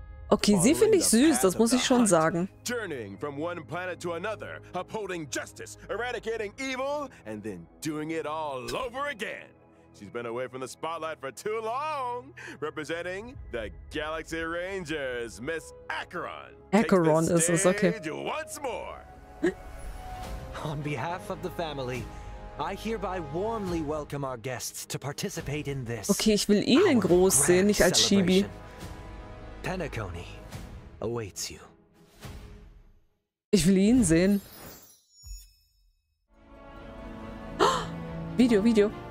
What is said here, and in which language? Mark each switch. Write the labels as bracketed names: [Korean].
[German] Okay, sie finde ich süß, das muss ich schon sagen. [English] Journeying from one planet to another, upholding justice, eradicating evil, and then doing it all over again. She's been away from the spotlight for too long. Representing the Galaxy Rangers, Miss Acheron. [German] Acheron ist es, okay. [English] Once more. On behalf of the family, I hereby warmly welcome our guests to participate in this. [German] Okay, ich will ihn in groß sehen, nicht als Chibi. [English] Penacony awaits you. [German] Ich will ihn sehen. Video, Video.